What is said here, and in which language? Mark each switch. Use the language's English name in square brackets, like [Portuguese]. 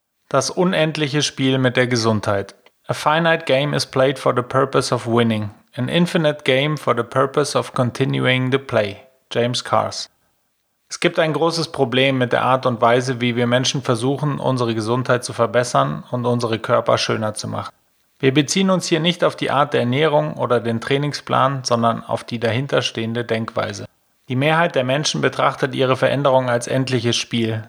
[German] Das unendliche Spiel mit der Gesundheit. [English] A finite game is played for the purpose of winning. An infinite game for the purpose of continuing the play. James Cars. [German] Es gibt ein großes Problem mit der Art und Weise, wie wir Menschen versuchen, unsere Gesundheit zu verbessern und unsere Körper schöner zu machen. Wir beziehen uns hier nicht auf die Art der Ernährung oder den Trainingsplan, sondern auf die dahinterstehende Denkweise. Die Mehrheit der Menschen betrachtet ihre Veränderung als endliches Spiel.